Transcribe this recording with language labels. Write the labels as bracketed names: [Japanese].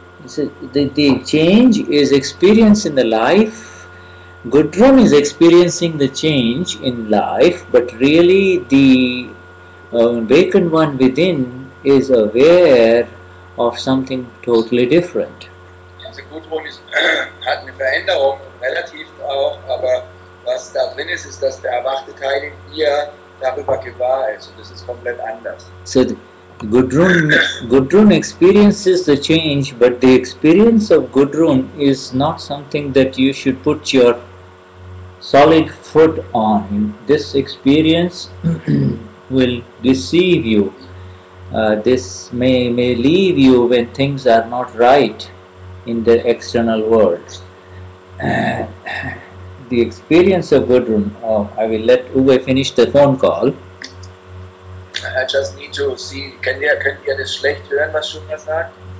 [English] The change is experienced in the life. Gudrun is experiencing the change in life, but really the awakened one within is aware of something totally different. [German] Also Gudrun hat eine Veränderung, relativ auch, aber was da drin ist, ist, dass der erwachte Teil in ihr darüber gewahr ist, und das ist komplett anders. [English] So Gudrun experiences the change, but the experience of Gudrun is not something that you should put your solid foot on. This experience will deceive you. This may leave you when things are not right in the external world. The experience of Gudrun, I will let Uwe finish the phone call. I just need to see, [German] könnt ihr das schlecht hören, was Shunya sagt?